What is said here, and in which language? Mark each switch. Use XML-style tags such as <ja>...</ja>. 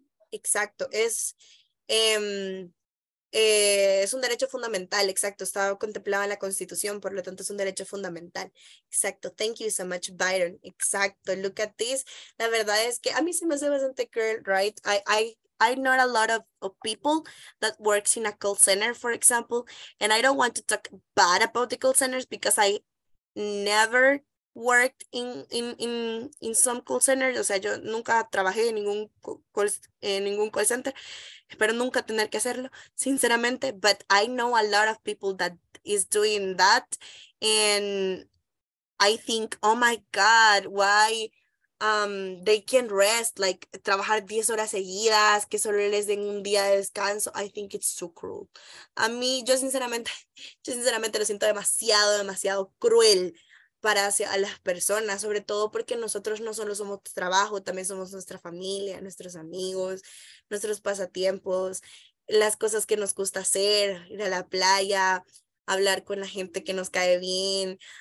<es>Exacto. Es Es un derecho fundamental, exacto, estaba contemplado en la Constitución, por lo tanto es un derecho fundamental.</es> <en>Exacto, thank you so much, Byron. Exacto, look at this.</en> <es>La verdad es que a mí se me hace bastante cruel, right?</es> <en>I know a lot of people that works in a call center, for example, and I don't want to talk bad about the call centers because I never worked in some call centers,</en> <es>o sea, yo nunca trabajé en ningún call center, espero nunca tener que hacerlo, sinceramente,</es> <en>but I know a lot of people that is doing that, and I think, oh my God, why they can't rest, like</en> <es>trabajar 10 horas seguidas, que solo les den un día de descanso.</es> <en>I think it's too cruel.</en> <es>A mí, yo sinceramente lo siento demasiado, demasiado cruel para hacia a las personas, sobre todo porque nosotros no solo somos trabajo, también somos nuestra familia, nuestros amigos, nuestros pasatiempos, las cosas que nos gusta hacer, ir a la playa, hablar con la gente que nos cae bien.</es>